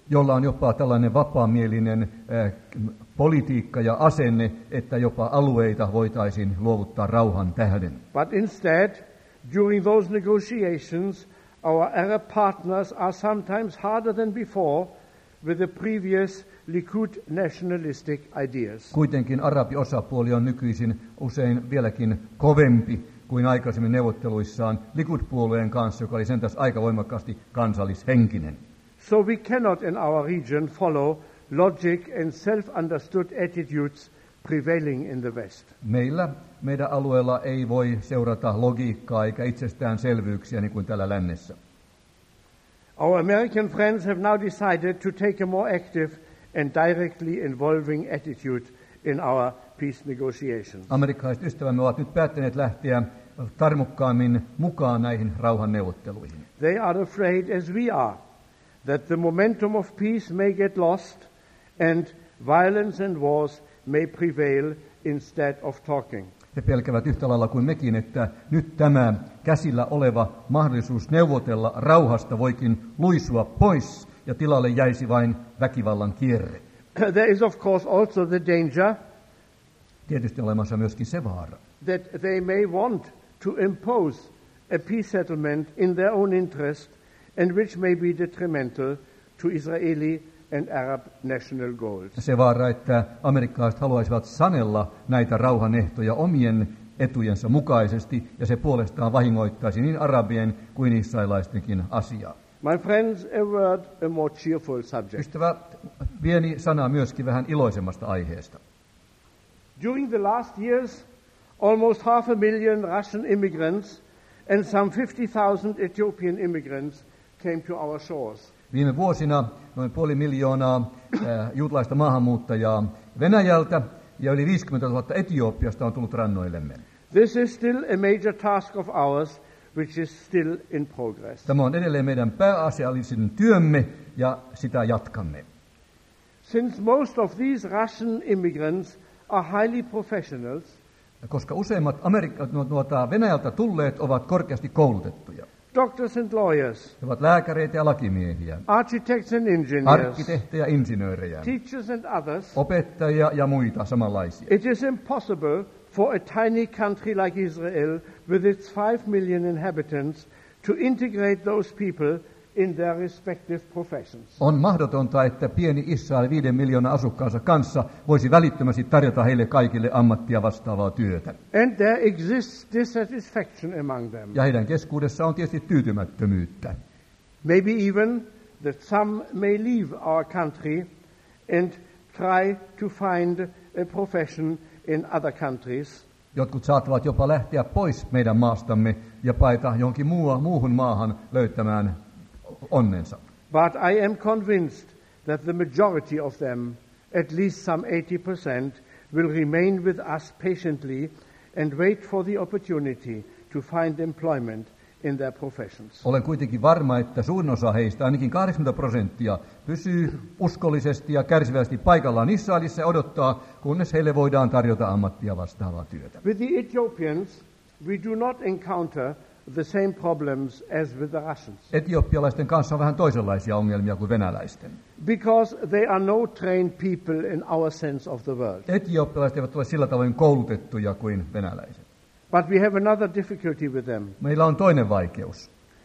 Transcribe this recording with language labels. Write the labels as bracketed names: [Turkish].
[Finnish] Jolla on jopa tällainen vapaamielinen politiikka ja asenne, että jopa alueita voitaisiin luovuttaa rauhan tähden. [English] But instead, during those negotiations, our Arab partners are sometimes harder than before with the previous Likud nationalistic ideas. [Finnish] Kuitenkin arabiosapuoli on nykyisin usein vieläkin kovempi kuin aikaisemmin neuvotteluissaan Likud-puolueen kanssa, joka oli sentäs aika voimakkaasti kansallishenkinen. [English] So we cannot in our region follow logic and self-understood attitudes prevailing in the West. [Finnish] Meidän alueella ei voi seurata logiikkaa eikä itsestäänselvyyksiä niin kuin täällä lännessä. [English] Our American friends have now decided to take a more active and directly involving attitude in our peace negotiations. [Finnish] Amerikkalaiset ystävämme ovat nyt päättäneet lähteä tarmokkaammin mukaan näihin rauhanneuvotteluihin. [English] They are afraid, as we are, that the momentum of peace may get lost and violence and wars may prevail instead of talking. [Finnish] He pelkävät yhtä lailla kuin mekin, että nyt tämä käsillä oleva mahdollisuus neuvotella rauhasta voikin luisua pois ja tilalle jäisi vain väkivallan kierre. [English] There is of course also the danger. [Finnish] Tietysti olemassa myöskin se vaara. [English] That they may want to impose a peace settlement in their own interest and which may be detrimental to Israeli and Arab national goals. [Finnish] Se vaara, että amerikkalaiset haluaisivat sanella näitä rauhanehtoja omien etujensa mukaisesti, ja se puolestaan vahingoittaisi niin arabien kuin israelaistenkin asiaa. [English] My friends, a word, a more cheerful subject. [Finnish] Ystävä, pieni sana myöskin vähän iloisemmasta aiheesta. [English] During the last years, almost 500,000 Russian immigrants and some 50,000 Ethiopian immigrants came to our shores. [Finnish] Viime vuosina noin 500,000 juutalaista maahanmuuttajaa Venäjältä ja yli 50 000 Etiopiasta on tullut rannoillemme. [English] This is still a major task of ours, which is still in progress. [Finnish] Tämä on edelleen meidän pääasiallisen työmme ja sitä jatkamme. [English] Since most of these Russian immigrants are highly professionals, [Finnish] koska useimmat Venäjältä tulleet ovat korkeasti koulutettuja. [English] Doctors and lawyers. [Finnish] He ovat lääkäreitä ja lakimiehiä. [English] Architects and engineers. [Finnish] Arkkitehtejä, insinöörejä. [English] Teachers and others. [Finnish] Opettajia ja muita samanlaisia. [English] It is impossible for a tiny country like Israel with its 5,000,000 inhabitants to integrate those people in their respective professions. [Finnish] On mahdotonta, että pieni Israel 5,000,000 asukkaansa kanssa voisi välittömästi tarjota heille kaikille ammattia vastaavaa työtä. [English] And there exists dissatisfaction among them. [Finnish] Ja heidän keskuudessaan on tietysti tyytymättömyyttä. [English] Maybe even that some may leave our country and try to find a profession in other countries. [Finnish] Jotkut saattavat jopa lähteä pois meidän maastamme ja paeta johonkin muuhun maahan löytämään onnensa. [English] But I am convinced that the majority of them, at least some 80%, will remain with us patiently and wait for the opportunity to find employment in their professions. [Finnish] Olen kuitenkin varma, että suurin osa heistä, ainakin 80%, pysyy uskollisesti ja kärsivästi paikallaan Israelissa ja odottaa, kunnes heille voidaan tarjota ammattia vastaavaa työtä. [English] With the Ethiopians, we do not encounter the same problems as with the Russians. [Finnish] Etiopialaisten kanssa on vähän toisenlaisia ongelmia kuin venäläisten. [English] Because they are no trained people in our sense of the word. [Finnish] Etiopialaiset eivät ole sillä tavoin koulutettuja kuin venäläiset. [English] But we have another difficulty with them. [Finnish] Meillä on toinen vaikeus.